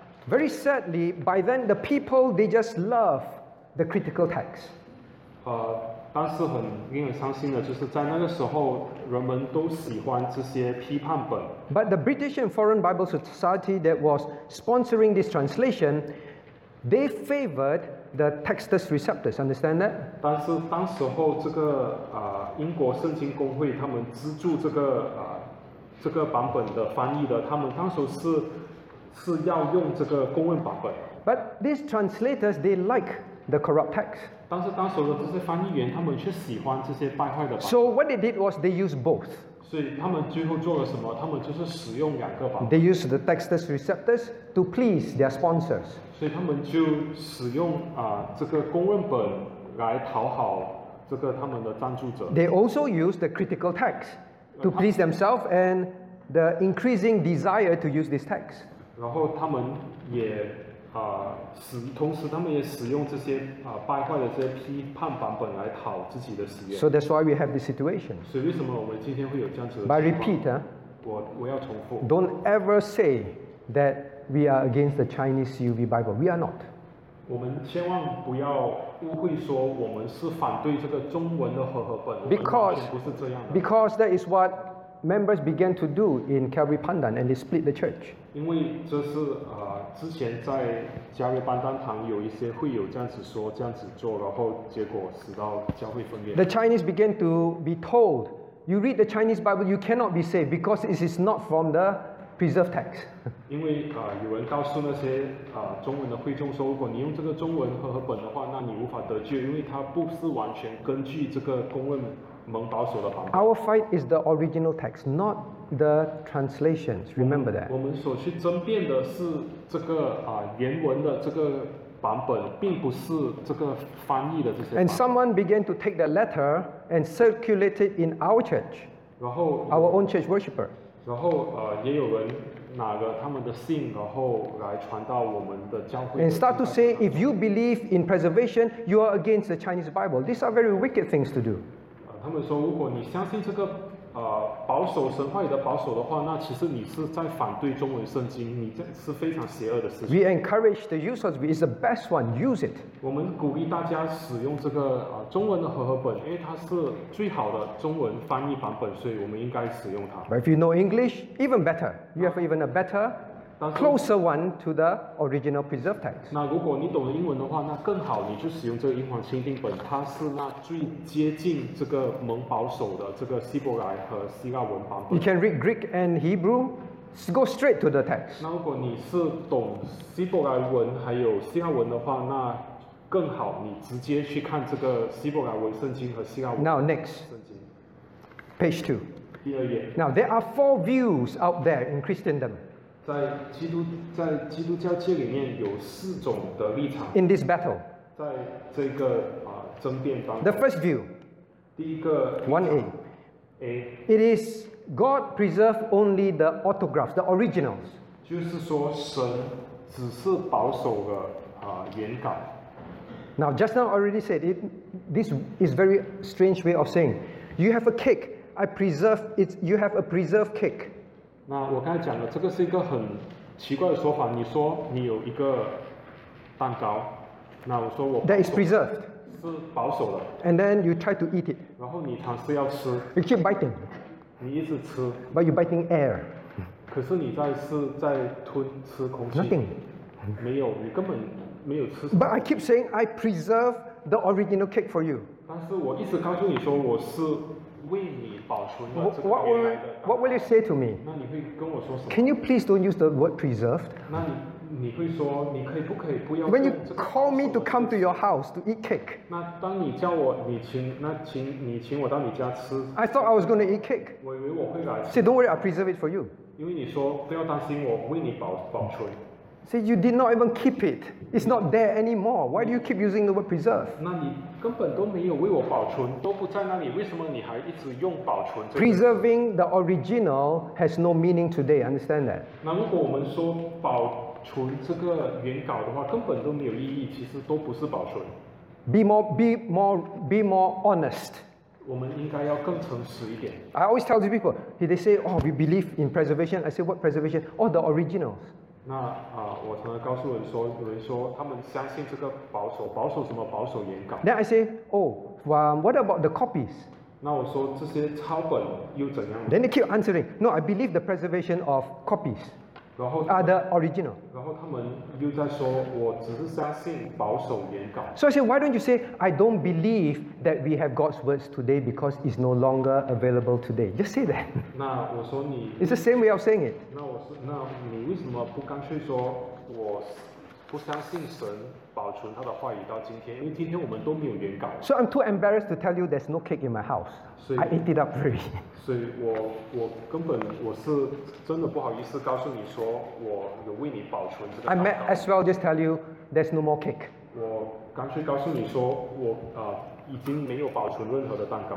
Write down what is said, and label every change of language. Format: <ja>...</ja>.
<en>Very sadly, by then the people, they just love the critical text.</en> <zh>但是很令人伤心的就是在那个时候人们都喜欢这些批判本。</zh> <en>But the British and Foreign Bible Society that was sponsoring this translation, they favored the Textus Receptus, understand that?</en> <zh>但是当时候这个英国圣经公会他们资助这个这个版本的翻译的，他们当时是要用这个公文版本。</zh> <en>But these translators, they like the corrupt text.</en> <zh>但是当时的这些翻译员他们却喜欢这些败坏的版本。</zh> <en>So what they did was they used both.</en> <zh>所以他们最后做了什么？他们就是使用两个版本。</zh> <en>They used the Textus Receptus to please their sponsors.</en> <zh>所以他们就使用这个公文本来讨好这个他们的赞助者。</zh> <en>They also used the critical text to please themselves and the increasing desire to use this text.</en> <zh>然后他们也同时他们也使用这些败坏的这些批判版本来讨自己的喜悦。</zh> <en>So that's why we have this situation.</en> <zh>所以为什么我们今天会有这样子的情况？</zh> <en>By repeat,</en> <zh>我要重复。</zh> <en>Don't ever say that we are against the Chinese UV Bible. We are not.</en> <zh>我们千万不要误会说我们是反对这个中文的和合本。</zh> <en>Because</en> <zh>不是这样的。</zh> <en>Because that is what members began to do in Calvary Pandan, and they split the church.</en> <zh>因为这是之前在加瑞班丹堂有一些会有这样子说这样子做，然后结果使到教会分裂。</zh> <en>The Chinese began to be told, "You read the Chinese Bible, you cannot be saved because it is not from the preserved text."</en> <zh>因为有人告诉那些中文的会众说，如果你用这个中文和合本的话，那你无法得救，因为它不是完全根据这个公论。</zh> <en>Our fight is the original text, not the translations. Remember that.</en> <zh>我们所去争辩的是这个原文的这个版本，并不是这个翻译的这些。</zh> <en>And someone began to take the letter and circulate it in our church.</en> <zh>然后</zh> <en>our own church worshipper.</en> <zh>然后也有人拿了他们的信，然后来传到我们的教会。</zh> <en>And start to say, if you believe in preservation, you are against the Chinese Bible. These are very wicked things to do.</en> <zh>他们说，如果你相信这个保守神话里的保守的话，那其实你是在反对中文圣经，你这是非常邪恶的事情。</zh> <en>We encourage the users, it's the best one, use it.</en> <zh>我们鼓励大家使用这个中文的和合本，因为它是最好的中文翻译版本，所以我们应该使用它。</zh> <en>But if you know English, even better. You have even a better, closer one to the original preserved text.</en> <zh>那如果你懂英文的话，那更好，你就使用这个英皇钦定本，它是那最接近这个蒙保守的这个希伯来和希腊文版本。</zh> <en>You can read Greek and Hebrew, go straight to the text.</en> <zh>那如果你是懂希伯来文还有希腊文的话，那更好，你直接去看这个希伯来文圣经和希腊文。</zh> <en>Now next, page 2.</en> <zh>第二页。</zh> <en>Now there are 4 views out there in Christendom.</en> <zh>在基督教界里面有四种的立场。</zh> <en>In this battle,</en> <zh>在这个争辩当中。</zh> <en>The first view,</en> <zh>第一个</zh> <en>1A, it is God preserved only the autographs, the originals.</en> <zh>就是说神只是保守了原稿。</zh> <en>Now, just now already said it. This is very strange way of saying, you have a cake, I preserve it. You have a preserved cake.</en> <zh>那我刚才讲的这个是一个很奇怪的说法。你说你有一个蛋糕，那我说我</zh> <en>that is preserved</en> <zh>是保守的。</zh> <en>And then you try to eat it.</en> <zh>然后你尝试要吃。</zh> <en>You keep biting.</en> <zh>你一直吃。</zh> <en>But you biting air.</en> <zh>可是你在吞吃空气。</zh> <en>Nothing.</en> <zh>没有，你根本没有吃什么。</zh> <en>But I keep saying I preserve the original cake for you.</en> <zh>但是我一直告诉你说我是。</zh> <en>What will you say to me?</en> <zh>那你会跟我说什么?</zh> <en>Can you please don't use the word preserved?</en> <zh>那你会说你可以不可以不要用。</zh> <en>When you call me to come to your house to eat cake.</en> <zh>那当你叫我你请我到你家吃。</zh> <en>I thought I was going to eat cake.</en> <zh>我以为我会来吃。</zh> <en>Say, don't worry, I preserve it for you.</en> <zh>因为你说不要担心我为你保存。</zh> <en>See, you did not even keep it. It's not there anymore. Why do you keep using the word preserve?</en> <zh>那你根本都没有为我保存，都不在那里，为什么你还一直用保存？</zh> <en>Preserving the original has no meaning today. Understand that?</en> <zh>那如果我们说保存这个原稿的话，根本都没有意义，其实都不是保存。</zh> <en>Be more honest.</en> <zh>我们应该要更诚实一点。</zh> <en>I always tell these people, they say, "Oh, we believe in preservation." I say, "What preservation? Oh, the originals."</en> <zh>那我常常告诉人说，有人说他们相信这个保守，保守什么？保守原稿。</zh> <en>Then I say, oh, what about the copies?</en> <zh>那我说这些抄本又怎样</zh> <en>？Then they keep answering, no, I believe the preservation of copies.</en> <zh>然后</zh> <en>啊，the original.</en> <zh>然后他们又在说，我只是相信保守原稿。</zh> <en>So I say, why don't you say, I don't believe that we have God's words today because it's no longer available today? Just say that.</en> <zh>那我说你。</zh> <en>It's the same way of saying it.</en> <zh>那你为什么不干脆说我不相信神保存他的话语到今天？因为今天我们都没有原稿。</zh> <en>So I'm too embarrassed to tell you there's no cake in my house. I ate it up very.</en> <zh>所以我根本我是真的不好意思告诉你说我有为你保存这个。</zh> <en>I may as well just tell you there's no more cake.</en> <zh>我干脆告诉你说我已经没有保存任何的蛋糕。</zh>